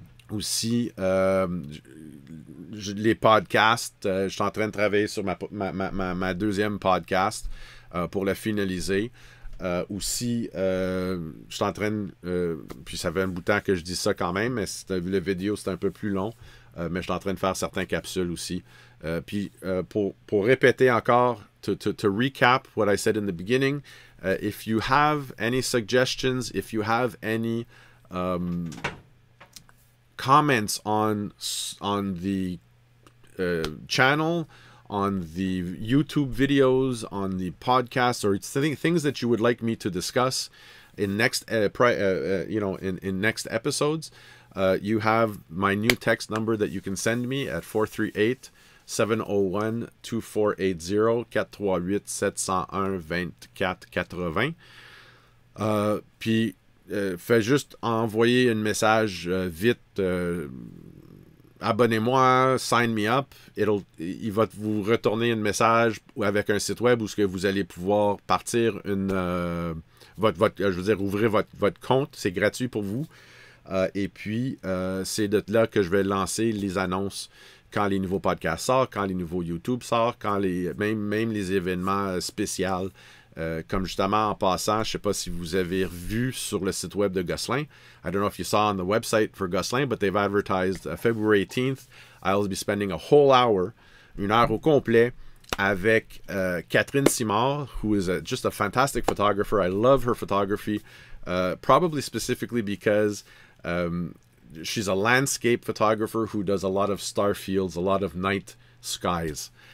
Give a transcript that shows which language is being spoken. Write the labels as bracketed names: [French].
[French] Aussi, les podcasts, je suis en train de travailler sur ma deuxième podcast pour la finaliser. Aussi, je suis en train, puis ça fait un bout de temps que je dis ça quand même, mais vu la vidéo, c'est un peu plus long, mais je suis en train de faire certaines capsules aussi. Puis pour répéter encore, [English] to recap what I said in the beginning, if you have any suggestions, if you have any comments on the channel, on the YouTube videos, on the podcasts, or things that you would like me to discuss in next episodes, you have my new text number that you can send me at 438-701-2480, 438-701-2480. [French] Fais juste envoyer un message vite, abonnez-moi, [English] sign me up, [French] il va vous retourner un message avec un site web où ce que vous allez pouvoir partir ouvrir votre compte, c'est gratuit pour vous. Et puis c'est de là que je vais lancer les annonces quand les nouveaux podcasts sortent, quand les nouveaux YouTube sortent, quand même les événements spéciaux. Comme justement en passant, je ne sais pas si vous avez vu sur le site web de Gosselin. [English] I don't know if you saw on the website for Gosselin, but they've advertised February 18th. I'll be spending a whole hour, [French] une heure au complet, [English] avec Catherine Simard, who is just a fantastic photographer. I love her photography, probably specifically because she's a landscape photographer who does a lot of star fields, a lot of night skies.